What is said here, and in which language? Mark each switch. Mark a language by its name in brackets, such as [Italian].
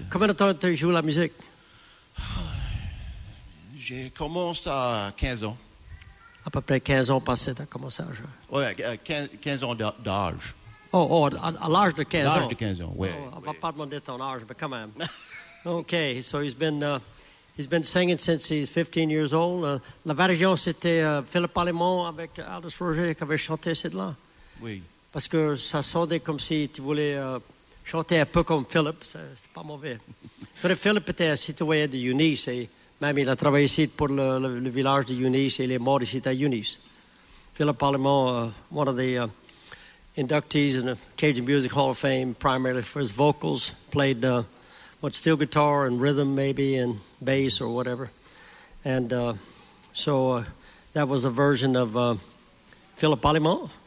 [French] Combien de temps tu joues la musique? J'ai commencé à 15 ans. À peu près 15 ans passé, tu as commencé à jouer. Oui, 15 ans d'âge. Oh, à l'âge de 15 ans. L'âge de 15 ans, oui. On ne va pas demander ton âge, mais quand même. [English] OK, so he's been singing since he's 15 years old. [French] La version, c'était Philippe Allemand avec Aldous Roger qui avait chanté celle-là. Oui. Parce que ça sonnait comme si tu voulais... chanter un peu comme Philippe, c'était pas mauvais. Mais Philippe était un citoyen de Eunice, et même il a travaillé ici pour le village de Eunice, et il est mort ici à Eunice. [English] Philippe Allemand, one of the inductees in the Cajun Music Hall of Fame, primarily for his vocals, played what, steel guitar and rhythm maybe, and bass or whatever. And so that was a version of Philippe Allemand.